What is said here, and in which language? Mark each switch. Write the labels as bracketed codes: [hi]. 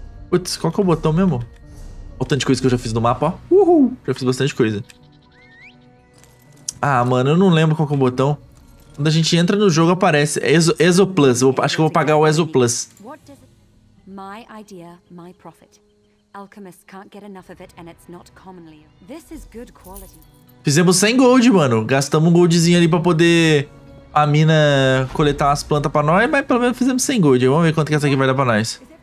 [pt] Putz, qual que é o botão mesmo? Olha o tanto de coisa que eu já fiz no mapa, ó. Uhul! Já fiz bastante coisa. Ah, mano, eu não lembro qual que é o botão. Quando a gente entra no jogo, aparece. É Ezo Plus. Acho que eu vou pagar o Ezo Plus. [en] My idea, my profit. Alchemists can't get enough of it and it's not commonly. This is good quality. [pt] Fizemos 100 gold, mano. Gastamos um goldzinho ali pra poder a mina coletar umas plantas pra nós, mas pelo menos fizemos 100 gold. Vamos ver quanto que essa aqui vai dar pra nós.